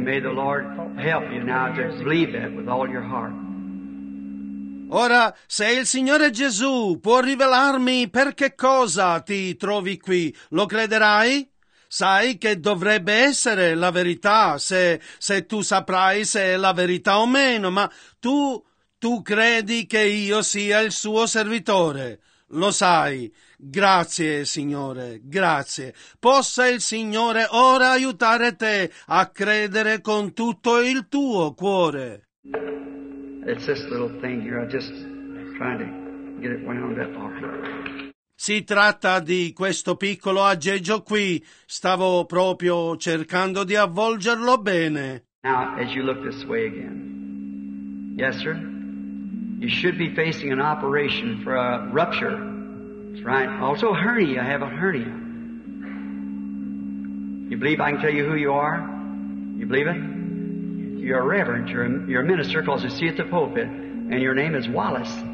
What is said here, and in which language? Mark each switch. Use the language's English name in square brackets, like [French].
[English] May the Lord help you now to believe that with all your heart. [Italian] Ora, se il Signore Gesù può rivelarmi per che cosa ti trovi qui, lo crederai? Sai che dovrebbe essere la verità, se tu saprai se è la verità o meno, ma tu credi che io sia il suo servitore. Lo sai. Grazie, Signore, grazie. Possa il Signore ora aiutare te a credere con tutto il tuo cuore. [English] It's this little thing here. I'm just trying to get it wound up on. [Italian] Si tratta di questo piccolo aggeggio qui. Stavo proprio cercando di avvolgerlo bene. [English] Now, as you look this way again. Yes, sir? You should be facing an operation for a rupture. That's right. Also a hernia. I have a hernia. You believe I can tell you who you are? You believe it? your reverend, your minister, because you see at the pulpit, and your name is Wallace.